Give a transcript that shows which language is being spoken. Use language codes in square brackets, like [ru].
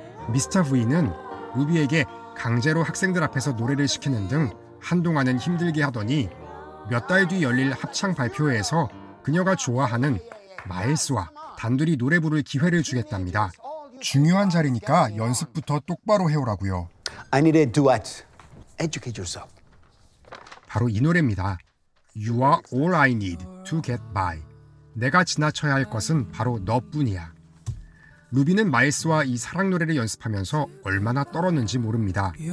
[ko] 미스터 V는 루비에게 강제로 학생들 앞에서 노래를 시키는 등 한동안은 힘들게 하더니 몇 달 뒤 열릴 합창 발표회에서 그녀가 좋아하는 마일스와 단둘이 노래 부를 기회를 주겠답니다. 중요한 자리니까 연습부터 똑바로 해오라고요. [en] I need a duet. Educate yourself. [ko] 바로 이 노래입니다. [en] You are all I need to get by. [ko] 내가 지나쳐야 할 것은 바로 너뿐이야. 루비는 마일스와 이 사랑 노래를 연습하면서 얼마나 떨었는지 모릅니다.